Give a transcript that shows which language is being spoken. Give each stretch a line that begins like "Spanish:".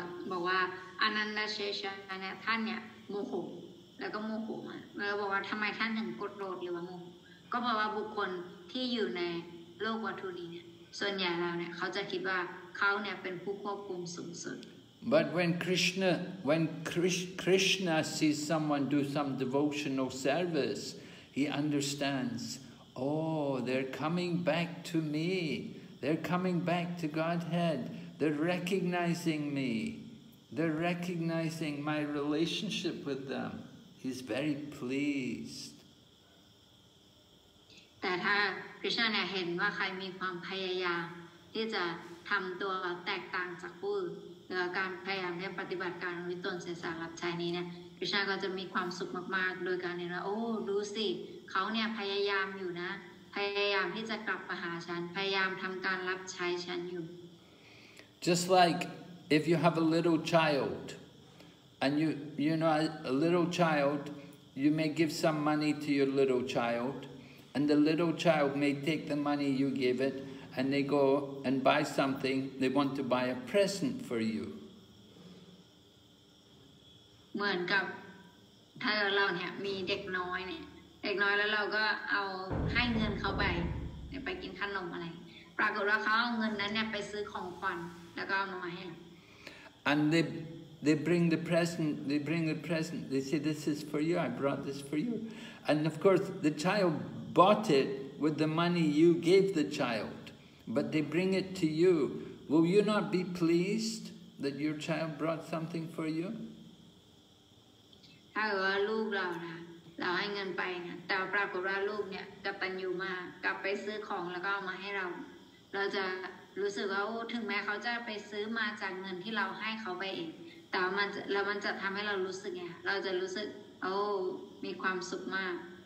Thai: บอกว่าอนันตเชษฐ์นะท่านเนี่ยโมโหแล้วก็โมโหมาแล้วบอกว่าทำไมท่านถึงโกรธหรือว่าโมโหก็เพราะว่าบุคคลที่อยู่ในโลกวัตถุนี้เนี่ยส่วนใหญ่แล้วเนี่ยเขาจะคิดว่าเขาเนี่ยเป็นผู้ควบคุมสูงสุด
English: But when Krishna sees someone do some devotional service he understands oh they're coming back to me they're coming back to Godhead they're recognizing my relationship with them. He's very pleased.
Thai: แต่ถ้าคริสต์เนี่ยเห็นว่าใครมีความพยายามที่จะทำตัวแตกต่างจากผู้อื่นแล้วการพยายามที่ปฏิบัติการวิตนเสสารับใช้นี้เนี่ยคริสต์ก็จะมีความสุขมากๆโดยการเห็นว่าโอ้ดูสิเขาเนี่ยพยายามอยู่นะพยายามที่จะกลับมาหาฉันพยายามทำการรับใช้ฉันอยู่
English: Just likeIf you have a little child, and you know, a little child, you may give some money to your little child, and the little child may take the money you give it, and they go and buy something, they want to buy a present for you.
Thai: เหมือนกับถ้าเราเนี่ยมีเด็กน้อยเนี่ยเด็กน้อยแล้วเราก็เอาให้เงินเขาไปกินขนมอะไรปรากฏว่าเขาเอาเงินนั้นเนี่ยไปซื้อของขวัญแล้วก็เอามาให้
English: And they bring the present, they say, this is for you, I brought this for you. And of course, the child bought it with the money you gave the child, but they bring it to you. Will you not be pleased that your child brought something for you?
Thai: ถ้าเกิดว่าลูกเราเนี่ยเราให้เงินไปเนี่ยแต่ปรากฏว่าลูกเนี่ยกตัญญูมากลับไปซื้อของแล้วก็เอามาให้เราจะรู้สึกว่าถึงแม้เขาจะไปซื้อมาจากเงินที่เราให้เขาไปเองแต่มันจะทำให้เรารู้สึกไงเราจะรู้สึกโอ้มีความสุขมาก